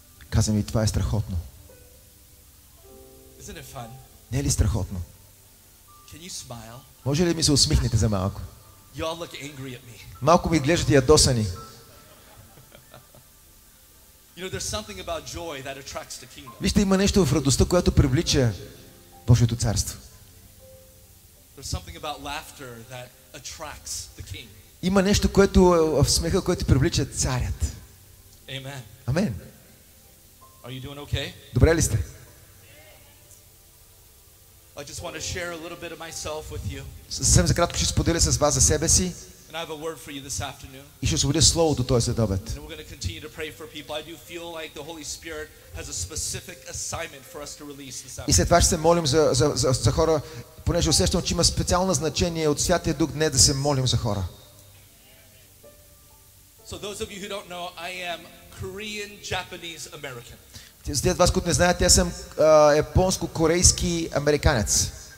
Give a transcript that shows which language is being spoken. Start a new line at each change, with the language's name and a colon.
Bulgarian: Каза ми, това е страхотно.
English: Isn't it fun?
Bulgarian: Не е ли страхотно?
English: Can you smile?
Bulgarian: Може ли ми се усмихнете за малко?
English: You all look angry at me.
Bulgarian: Малко ми глеждате ядосани.
English: You know, there's something about joy that attracts the kingdom.
Bulgarian: Вижте, има нещо в радостта, която привлича Божието царство.
English: There's something about laughter that attracts the king.
Bulgarian: Има нещо, което е в смеха, което привлича царят.
English: Amen.
Bulgarian: Amen.
English: Are you doing okay?
Bulgarian: Добре ли сте?
English: I just want to share a little bit of myself with you.
Bulgarian: Съвсем за кратко ще споделя с вас за себе си.
English: And I have a word for you this afternoon.
Bulgarian: И ще споделя словото този следобед.
English: And we're going to continue to pray for people. I do feel like the Holy Spirit has a specific assignment for us to release this afternoon.
Bulgarian: И след това ще се молим за хора, понеже усещам, че има специално значение от Святия Дух днес да се молим за хора.
English: So those of you who don't know, I am Korean Japanese American.
Bulgarian: За тези от вас, които не знаят, аз съм японско-корейски американец.